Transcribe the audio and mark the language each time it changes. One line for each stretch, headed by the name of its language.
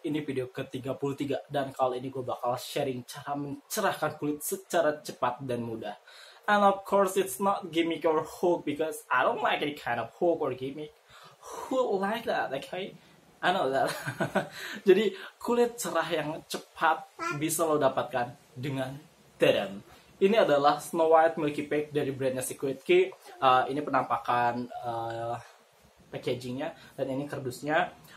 Indonesian: Ini video ke-33 dan kali ini gua bakal sharing cara mencerahkan kulit secara cepat dan mudah.
English: And of course it's not gimmick or hook because I don't like any kind of hook or gimmick. Who like that, okay? I know that.
Indonesian: Jadi kulit cerah yang cepat bisa lo dapatkan dengan tadam. Ini adalah Snow White Milky Pack dari brandnya Secret Key. Ini penampakan packagingnya dan ini kardusnya.